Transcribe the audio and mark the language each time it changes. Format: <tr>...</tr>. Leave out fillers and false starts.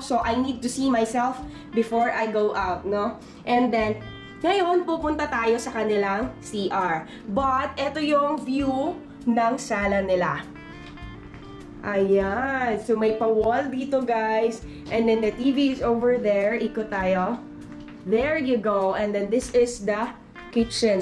<en>So, I need to see myself before I go out, no? And then,</en> <tl>ngayon, pupunta tayo sa kanilang CR.</tl> <en>But,</en> <tl>ito yung view ng sala nila. Ayan. So, may pa-wall dito, guys.</tl> <en>And then, the TV is over there.</en> <tl>Ikot tayo.</tl> <en>There you go. And then, this is the kitchen.</en>